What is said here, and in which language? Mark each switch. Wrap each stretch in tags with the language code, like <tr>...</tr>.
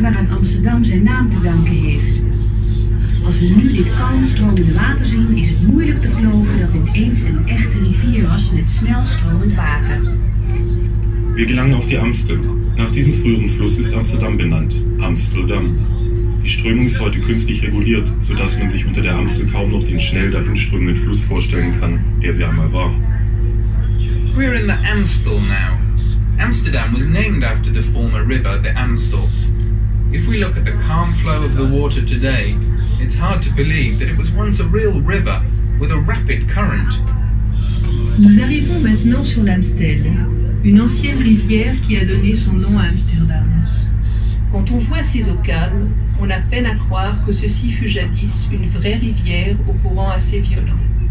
<nl>Amsterdam zijn naam te danken heeft. Als we nu dit kalm stromende water zien, is het moeilijk te geloven dat dit eens een echte rivier was met snel stromend water. We gelangen op de Amstel.</nl> <de>Nach diesem früheren Fluss ist Amsterdam benannt. Amsterdam. Die Strömung ist heute künstlich reguliert, sodass man sich unter der Amstel kaum noch den schnell dahin strömenden Fluss vorstellen kann, der sie einmal war.</de> <en>We're in the Amstel now. Amsterdam was named after the former river, the Amstel. If we look at the calm flow of the water today, it's hard to believe that it was once a real river with a rapid current.</en> <fr>Nous arrivons maintenant sur l'Amstel, une ancienne rivière qui a donné son nom à Amsterdam. Quand on voit ces eaux calmes, on a peine à croire que ceci fut jadis une vraie rivière au courant assez violent.</fr>